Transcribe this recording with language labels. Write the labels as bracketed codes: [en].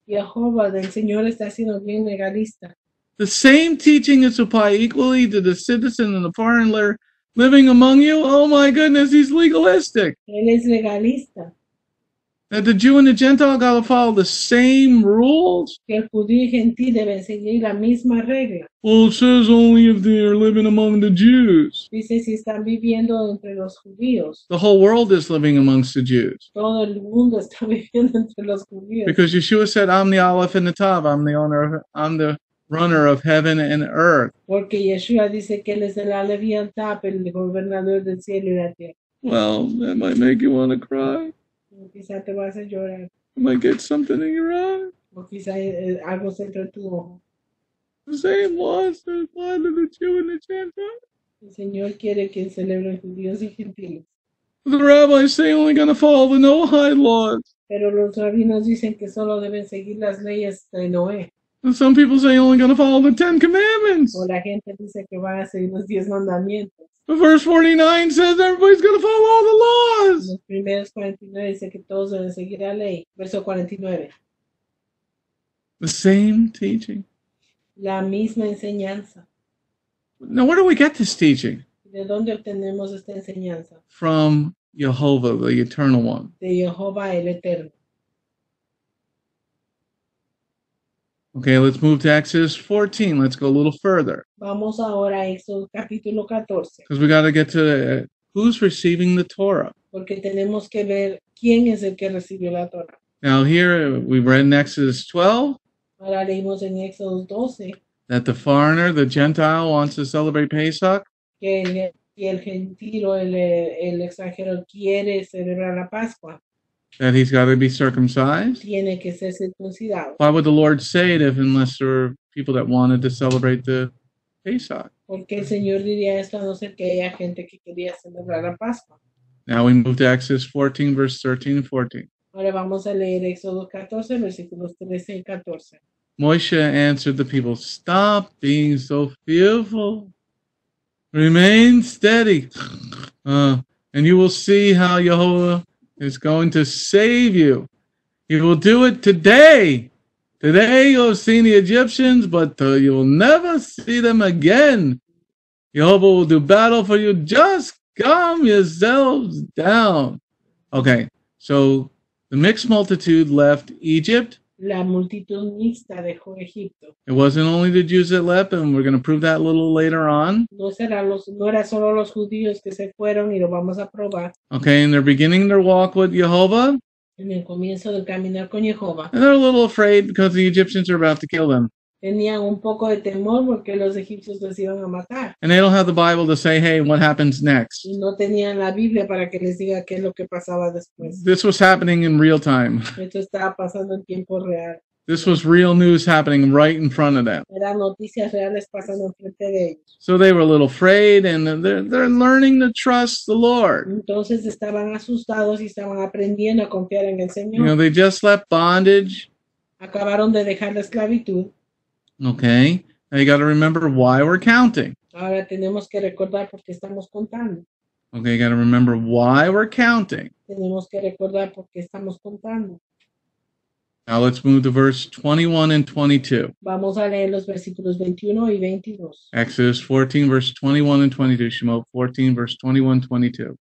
[es] Yehovah, el Señor está siendo bien legalista. [en] The same teaching is applied equally to the citizen and the foreigner living among you. Oh my goodness, he's legalistic. [es] Él es legalista. [en] That the Jew and the Gentile got to follow the same rules. [es] Que el judío y gentil deben seguir la misma regla. [en] Well, it says only if they are living among the Jews. [es] Dice si están viviendo entre los judíos. [en] The whole world is living amongst the Jews. [es] Todo el mundo está viviendo entre los judíos. [en] Because Yeshua said, I'm the Aleph and the Tav. I'm the owner of, I'm the runner of heaven and earth. [es] Porque Yeshua dice que él es el Aleph y el Tav, el gobernador del cielo y la tierra. [en] Well, that might make you want to cry. [es] O quizá te vas a llorar. [en] You might get something in your eye. [es] O quizá algo se entre tu ojo. [en] The same laws that apply to the Jew and the Gentile. [es] El Señor quiere que celebren judíos y gentiles. [en] The rabbis say only going to follow the Noahide laws. [es] Pero los rabinos dicen que solo deben seguir las leyes de Noé. [en] And some people say only going to follow the Ten Commandments. [es] O la gente dice que van a seguir los diez mandamientos. [en] But verse 49 says everybody's going to follow all the laws. [es] Primeros 49 dice que todos deben seguir la ley. Verso 49. [en] The same teaching. [es] La misma enseñanza. [en] Now, where do we get this teaching? [es] ¿De dónde obtenemos esta enseñanza? [en] From Yehovah, the Eternal One. [es] De Yehovah, el Eterno. [en] Okay, let's move to Exodus 14. Let's go a little further. [es] Vamos ahora a Exodus capítulo 14. [en] Because we got to get to who's receiving the Torah. [es] Porque tenemos que ver quién es el que recibió la Torah. [en] Now here, we read in Exodus 12. [es] Ahora leímos en Exodus 12. [en] That the foreigner, the Gentile, wants to celebrate Pesach. [es] Que el gentil o el extranjero quiere celebrar la Pascua. [en] That he's got to be circumcised. [es] Tiene que ser circuncidado. [en] Why would the Lord say it if unless there were people that wanted to celebrate the Pesach? [es] Porque el Señor diría esto a no ser que haya gente que quería celebrar la Pascua. [en] Now we move to Exodus 14, verse 13 and 14. [es] Ahora vamos a leer Exodus 14, versículos 13 y 14. [en] Moshe answered the people, stop being so fearful. Remain steady. And you will see how Yehovah is going to save you. He will do it today. Today you have seen the Egyptians, but you will never see them again. Yehovah will do battle for you. Just calm yourselves down. Okay, so the mixed multitude left Egypt. [es] La multitud mixta dejó Egipto. [en] It wasn't only the Jews that left, and we're going to prove that a little later on. [es] No era solo los judíos que se fueron, y lo vamos a probar. [en] Okay, and they're beginning their walk with Jehovah. [es] En el comienzo del caminar con Jehovah. [en] And they're a little afraid because the Egyptians are about to kill them. [es] Tenían un poco de temor porque los egipcios los iban a matar. [en] And they don't have the Bible to say, hey, what happens next? [es] Y no tenían la Biblia para que les diga qué es lo que pasaba después. [en] This was happening in real time. [es] Esto estaba pasando en tiempo real. [en] This was real news happening right in front of them. [es] Eran noticias reales pasando frente de ellos. [en] So they were a little afraid and they're learning to trust the Lord. [es] Entonces estaban asustados y estaban aprendiendo a confiar en el Señor. [en] You know, they just left bondage. [es] Acabaron de dejar la esclavitud. [en] Okay, now you got to remember why we're counting. [es] Ahora tenemos que recordar por qué estamos contando. [en] Okay, you got to remember why we're counting. [es] Tenemos que recordar por qué estamos contando. [en] Now let's move to verse 21 and 22. [es] Vamos a leer los versículos 21 y 22. [en] Exodus 14, verse 21 and 22. Shemot 14, verse 21, 22.